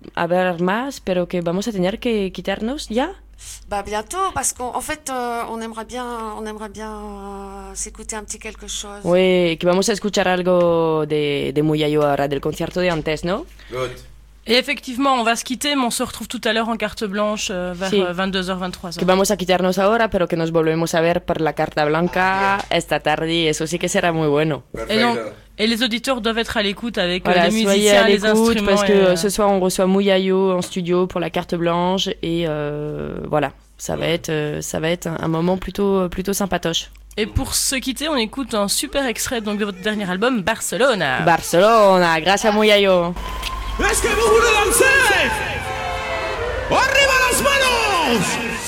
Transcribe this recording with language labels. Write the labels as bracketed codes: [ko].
[es] Hablar más, pero que vamos a tener que quitarnos ya. [fr] Bah bientôt, parce qu'en fait, on aimerait bien s'écouter un petit quelque chose. [es] Oui, que vamos a escuchar algo de Muyayo ahora del concierto de antes, ¿no? [en] Good. [fr] Et effectivement, on va se quitter, mais on se retrouve tout à l'heure en carte blanche vers sí. 22h-23h. [es] Que vamos a quitarnos ahora, pero que nos volvemos a ver por la carta blanca esta tarde. Eso sí que será muy bueno. [fr] Et les auditeurs doivent être à l'écoute avec voilà, les musiciens, les instruments. Soyez à l'écoute, parce que ce soir, on reçoit Muyayo en studio pour la carte blanche. Et voilà, ça va être un moment plutôt sympatoche. Et pour se quitter, on écoute un super extrait donc, de votre dernier album, Barcelona. Barcelona, grâce à Muyayo. [es] ¡Es que me juro de usted! ¡Arriba las manos!